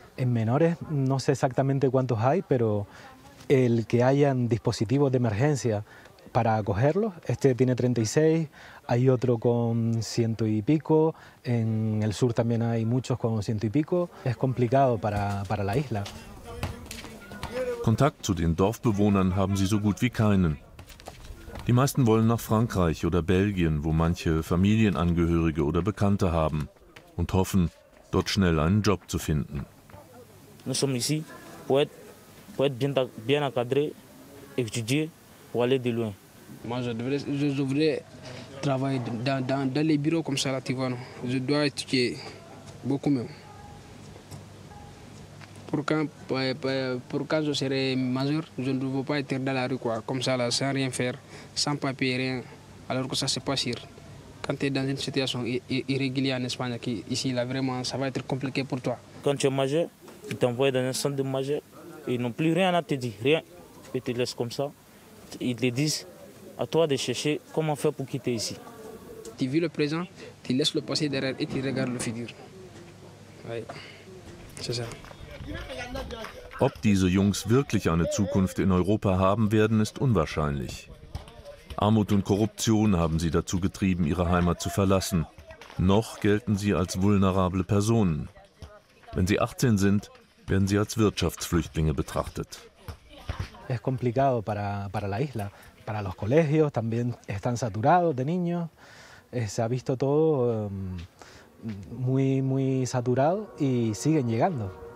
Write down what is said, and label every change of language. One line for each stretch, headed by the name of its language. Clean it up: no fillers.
Spanish: En menores no sé exactamente cuántos hay, pero el que hayan dispositivos de emergencia para acogerlos, este tiene 36, hay otro con 100 y pico, en el sur también hay muchos con 100 y pico, es complicado para la isla.
German: Kontakt zu den Dorfbewohnern haben sie so gut wie keinen. Die meisten wollen nach Frankreich oder Belgien, wo manche Familienangehörige oder Bekannte haben, und hoffen, dort schnell einen Job zu finden.
French: Nous sommes ici pour être bien encadré, étudier pour aller de loin. Moi, je devrais travailler dans les bureaux comme ça là, tu vois. Je dois étudier beaucoup mieux. Pour quand je serai majeur, je ne veux pas être dans la rue, quoi, comme ça, là, sans rien faire, sans papier, rien, alors que ça, c'est pas sûr. Quand tu es dans une situation irrégulière en Espagne, ici, là, vraiment, ça va être compliqué pour toi. Quand tu es majeur, ils t'envoient dans un centre de majeur, ils n'ont plus rien à te dire, rien. Ils te laissent comme ça. Ils te disent à toi de chercher comment faire pour quitter ici. Tu vis le présent, tu laisses le passé derrière et tu regardes le futur. Oui, c'est ça.
German: Ob diese Jungs wirklich eine Zukunft in Europa haben werden, ist unwahrscheinlich. Armut und Korruption haben sie dazu getrieben, ihre Heimat zu verlassen. Noch gelten sie als vulnerable Personen. Wenn sie 18 sind, werden sie als Wirtschaftsflüchtlinge betrachtet.
Spanish: Es complicado para la isla, para los colegios también están saturados de niños. Se ha visto todo muy saturado y siguen llegando.